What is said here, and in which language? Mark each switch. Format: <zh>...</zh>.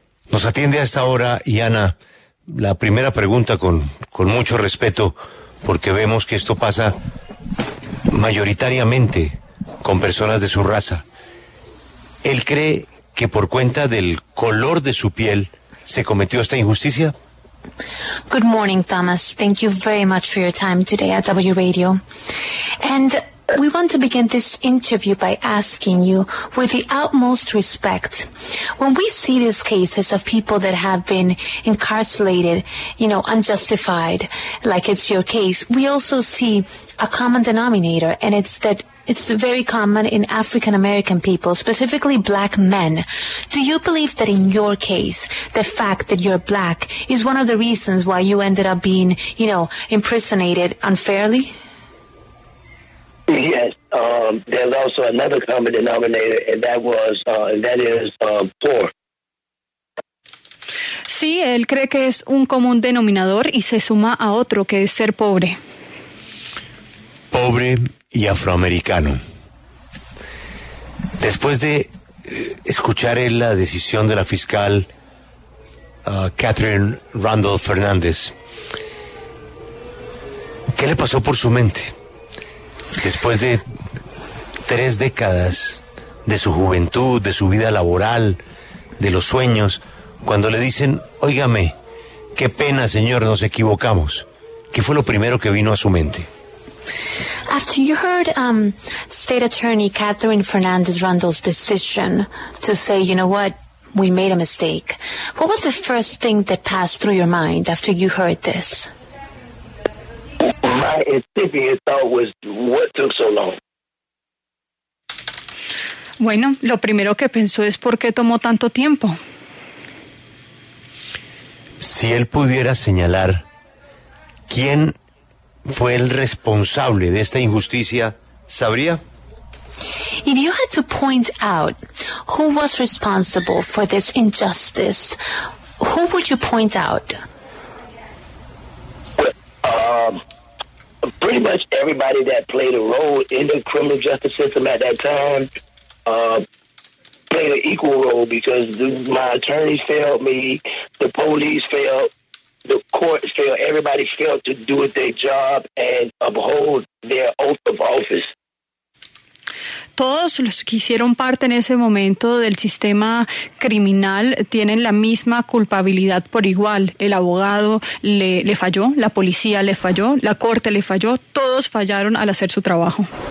<es>Nos atiende a esta hora, y Ana, la primera pregunta con mucho respeto, porque vemos que esto pasa mayoritariamente con personas de su raza. ¿Él cree que por cuenta del color de su piel se cometió esta injusticia?</es> <en>Good morning, Thomas. Thank you very much for your time today at W Radio. And we want to begin this interview by asking you, with the utmost respect, when we see these cases of people that have been incarcerated, you know, unjustified, like it's your case, we also see a common denominator, and it's that it's very common in African-American people, specifically black men. Do you believe that in your case, the fact that you're black is one of the reasons why you ended up being, you know, impersonated unfairly? Yes, there's also another common denominator, and that was, poor.</en> <es>Sí, él cree que es un común denominador y se suma a otro, que es ser pobre. Pobre y afroamericano. Después de escuchar la decisión de la fiscal Catherine Randall Fernández, ¿qué le pasó por su mente? Después de 3 décadas de su juventud, de su vida laboral, de los sueños, cuando le dicen, óigame, qué pena, señor, nos equivocamos, ¿qué fue lo primero que vino a su mente?</es> <en>After you heard State Attorney Catherine Fernandez Rundle's decision to say, you know what, we made a mistake, what was the first thing that passed through your mind after you heard this? My incipient thought was, what took so long?</en> <es>Bueno, lo primero que pensó es, ¿por qué tomó tanto tiempo? Si él pudiera señalar quién fue el responsable de esta injusticia, ¿sabría?</es> <en>If you had to point out who was responsible for this injustice, who would you point out? Pretty much everybody that played a role in the criminal justice system at that time played an equal role, because my attorneys failed me, the police failed, the court failed, everybody failed to do their job and uphold their oath of office.</en> <es>Todos los que hicieron parte en ese momento del sistema criminal tienen la misma culpabilidad por igual. El abogado le falló, la policía le falló, la corte le falló, todos fallaron al hacer su trabajo.</es>